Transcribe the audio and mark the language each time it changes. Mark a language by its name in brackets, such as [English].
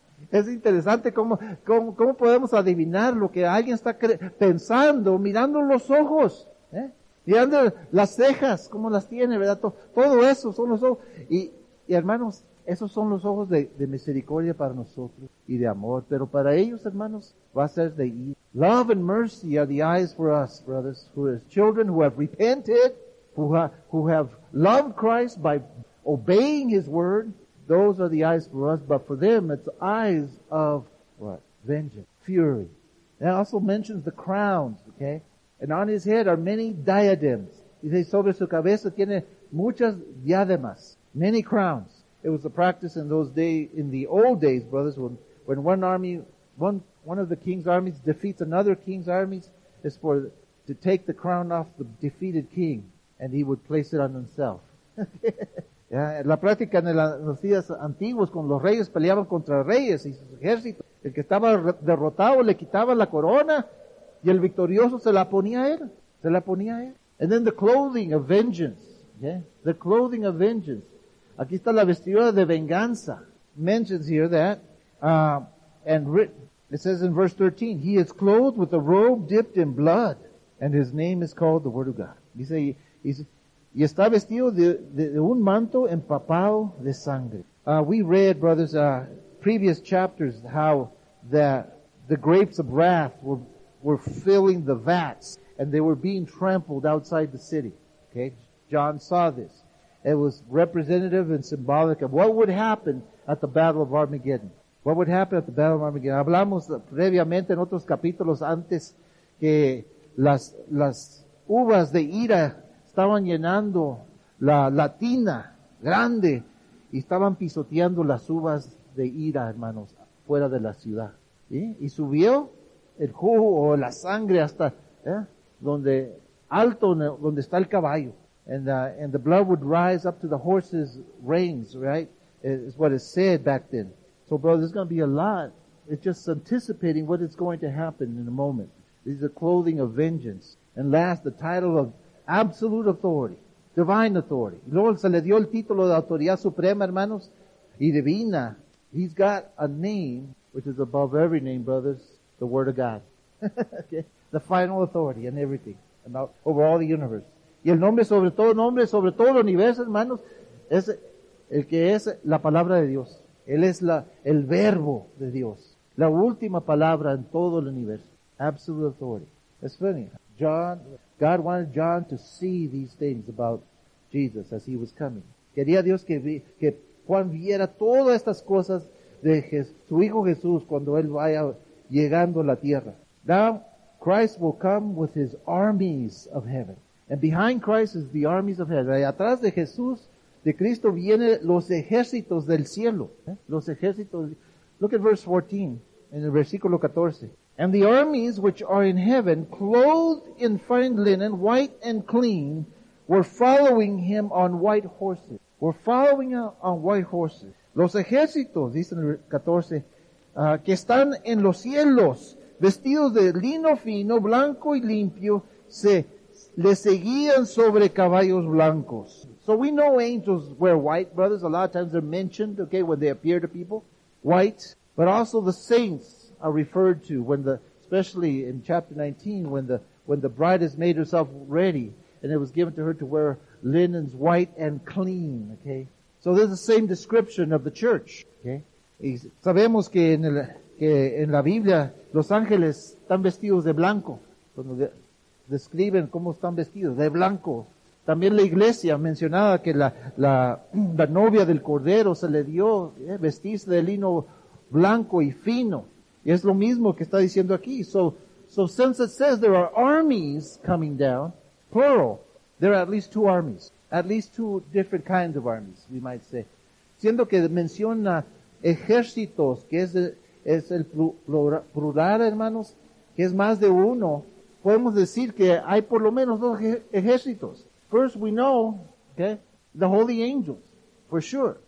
[Spanish] Es interesante cómo podemos adivinar lo que alguien está pensando, mirando los ojos, mirando las cejas, cómo las tiene, ¿verdad? Todo eso son los ojos. Y hermanos, esos son los ojos de misericordia para nosotros y de amor. Pero para ellos, hermanos, va a ser de ira. [English] Love and mercy are the eyes for us, brothers, who are children who have repented, who have loved Christ by obeying his word. Those are the eyes for us, but for them, it's eyes of what? Vengeance, fury. That also mentions the crowns, okay? And on his head are many diadems. He says, [Spanish] sobre su cabeza tiene muchas diademas, [English] many crowns. It was a practice in those days, in the old days, brothers, when one of the king's armies defeats another king's armies, is for to take the crown off the defeated king, and he would place it on himself. [Spanish] Yeah, la práctica en los días antiguos con los reyes peleaban contra reyes y sus ejércitos. El que estaba derrotado le quitaba la corona y el victorioso se la ponía a él. Se la ponía a él. [English] And then the clothing of vengeance. Yeah. The clothing of vengeance. [Spanish] Aquí está la vestidura de venganza. [English] Mentions here that. And written. It says in verse 13, he is clothed with a robe dipped in blood and his name is called the Word of God. Dice, he's y está vestido de un manto empapado de sangre. We read, brothers, previous chapters how that the grapes of wrath were filling the vats and they were being trampled outside the city. Okay, John saw this. It was representative and symbolic of what would happen at the Battle of Armageddon. What would happen at the Battle of Armageddon? [Spanish] Hablamos previamente en otros capítulos antes que las uvas de ira estaban llenando la tina grande y estaban pisoteando las uvas de ira, hermanos, fuera de la ciudad. ¿Sí? Y subió el jugo o la sangre hasta donde está el caballo. [English] And the blood would rise up to the horse's reins, right? Is what is said back then. So, brother, there's going to be a lot. It's just anticipating what is going to happen in a moment. This is the clothing of vengeance. And last, the title of absolute authority, divine authority. [Spanish] Luego se le dio el título de autoridad suprema, hermanos, y divina. [English] He's got a name, which is above every name, brothers, the Word of God. Okay? The final authority and everything, about, over all the universe. [Spanish] Y el nombre sobre todo universo, hermanos, es el que es la palabra de Dios. Él es el verbo de Dios. La última palabra en todo el universo. [English] Absolute authority. It's funny. God wanted John to see these things about Jesus as he was coming. [Spanish] Quería Dios que Juan viera todas estas cosas de su hijo Jesús cuando él vaya llegando a la tierra. [English] Now Christ will come with his armies of heaven. And behind Christ is the armies of heaven. [Spanish] Y atrás de Jesús, de Cristo, vienen los ejércitos del cielo. Los ejércitos. [English] Look at verse 14, [Spanish] en el versículo 14. [English] And the armies which are in heaven, clothed in fine linen, white and clean, were following him on white horses. Were following on white horses. [Spanish] Los ejércitos, dice el 14, que están en los cielos, vestidos de lino fino, blanco y limpio, se le seguían sobre caballos blancos. [English] So we know angels wear white, brothers. A lot of times they're mentioned, okay, when they appear to people, white. But also the saints are referred to when the, especially in chapter 19, when the bride has made herself ready and it was given to her to wear linens white and clean, okay? So there's the same description of the church, okay? [Spanish] Y sabemos que en la Biblia los ángeles están vestidos de blanco. Cuando describen cómo están vestidos, de blanco. También la iglesia mencionaba que la novia del cordero se le dio vestirse de lino blanco y fino. Y es lo mismo que está diciendo aquí. [English] So since it says there are armies coming down, plural, there are at least two armies. At least two different kinds of armies, we might say. [Spanish] Siendo que menciona ejércitos, que es el plural, hermanos, que es más de uno, podemos decir que hay por lo menos dos ejércitos. [English] First, we know, okay, the holy angels, for sure.